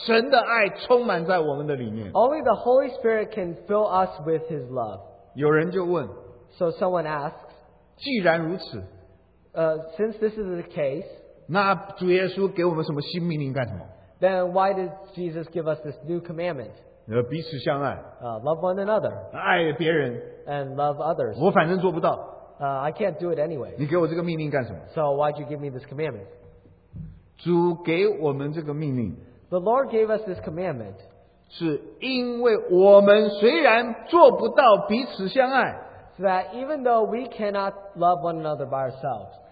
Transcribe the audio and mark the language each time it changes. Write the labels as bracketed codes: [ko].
[zh] 只有圣灵能够把神的爱充满在我们的里面, [en] only the Holy Spirit can fill us with his love. [zh] 有人就问, [en] so someone asks, [zh] 既然如此, [en] since this is the case, [zh] 那主耶稣给我们什么新命令干什么? [en] Then why did Jesus give us this new commandment? [zh] 彼此相爱, [en] love one another, [zh] 爱别人, [en] and love others. [zh] 我反正做不到, [en] I can't do it anyway. [zh] 你给我这个命令干什么? [en] So why'd you give me this commandment? [zh] 主给我们这个命令, [en] the Lord gave us this commandment, [zh] 是因为我们虽然做不到彼此相爱, [en] so that even though we cannot love one another by ourselves,